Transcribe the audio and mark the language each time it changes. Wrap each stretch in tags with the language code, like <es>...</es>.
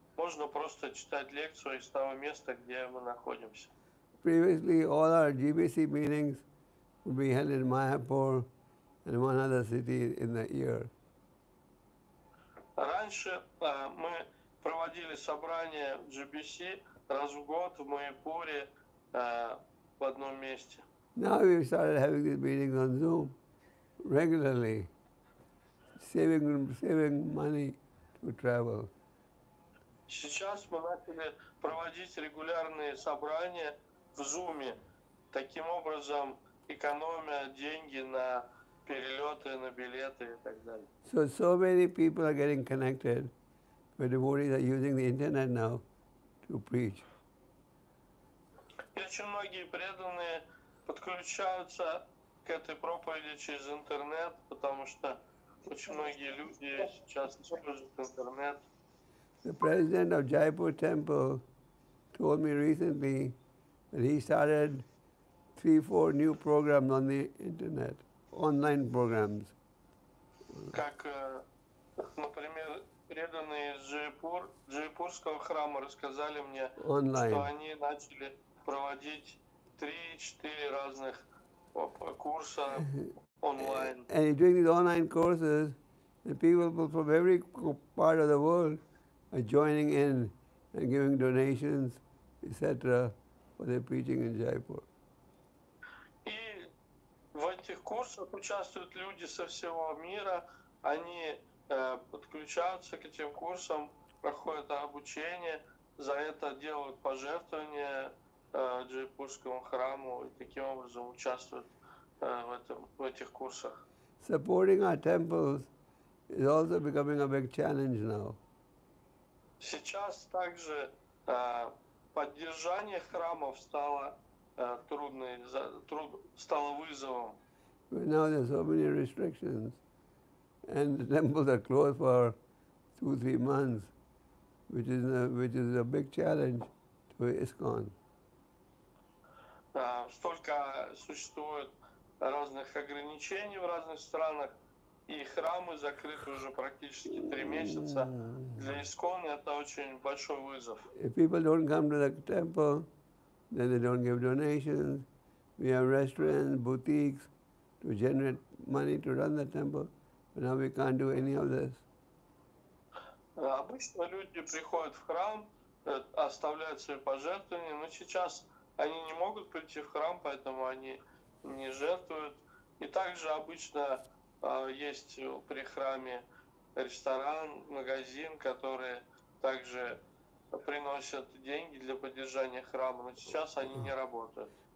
<ru>Можно просто читать лекцию из того места, где мы находимся.</ru> <en>Previously, all our GBC meetings will be held in Mayapur and one other city in the year.</en> <ru>Раньше мы проводили собрания GBC раз в год в Майяпуре в одном месте.</ru> <en>Now we started having these meetings on Zoom regularly, saving money to travel.</en> <ru>Сейчас мы начали проводить регулярные собрания в Zoom, таким образом экономя деньги на перелеты, на билеты и так далее.</ru> <en>So many people are getting connected, but devotees are using the internet now to preach.</en> <ru>Очень многие преданные подключаются к этой проповеди через интернет, потому что очень многие люди сейчас используют интернет.</ru> <en>The president of Jaipur Temple told me recently that he started 3-4 new programs on the internet, online programs.</en> <ru>Как, например, преданные из Джайпурского храма рассказали мне,</ru> <en>online,</en> <ru>что они начали проводить 3-4 разных курса онлайн.</ru> <en>And during these online courses, the people from every part of the world are joining in and giving donations, etc., for their preaching in Jaipur.</en> <ru>В этих курсах участвуют люди со всего мира, они подключаются к этим курсам, проходят обучение, за это делают пожертвования Джайпурскому храму и таким образом участвуют в этих курсах.</ru> <en>Supporting our temples is also becoming a big challenge now.</en> <ru>Сейчас также поддержание храмов стало стало вызовом.</ru> <en>But now there's so many restrictions, and the temples are closed for 2-3 months, which is a big challenge to ISKCON.</en> <ru>Столько существует разных ограничений в разных странах, и храмы закрыты уже практически 3 месяца. Для ISKCON это очень большой вызов.</ru> <en>If people don't come to the temple, then they don't give donations. We have restaurants, boutiques to generate money to run the temple, but now we can't do any of this.</en> <ru>Обычно люди приходят в храм, оставляют свои пожертвования, но сейчас они не могут прийти в храм, поэтому они не жертвуют. И также обычно есть при храме ресторан, магазин, которые также приносят деньги для поддержания храма, но сейчас они не работают.</ru>